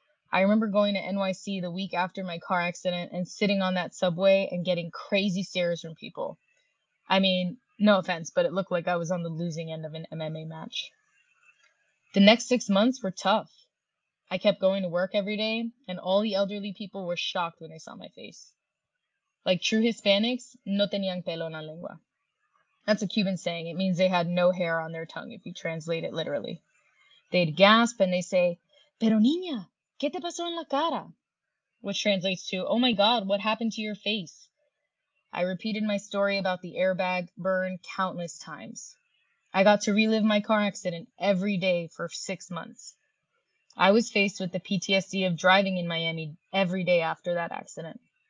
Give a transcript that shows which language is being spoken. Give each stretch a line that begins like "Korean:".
English: I remember going to NYC the week after my car accident and sitting on that subway and getting crazy stares from people. I mean, no offense, but it looked like I was on the losing end of an MMA match. The next 6 months were tough. I kept going to work every day, and all the elderly people were shocked when they saw my face. Like true Hispanics,
Spanish: no tenían pelo en la lengua.
English: That's a Cuban saying. It means they had no hair on their tongue, if you translate it literally. They'd gasp and they say,
Spanish: pero niña, ¿qué te pasó en la cara?
English: Which translates to, oh my God, what happened to your face? I repeated my story about the airbag burn countless times. I got to relive my car accident every day for 6 months. I was faced with the PTSD of driving in Miami every day after that accident.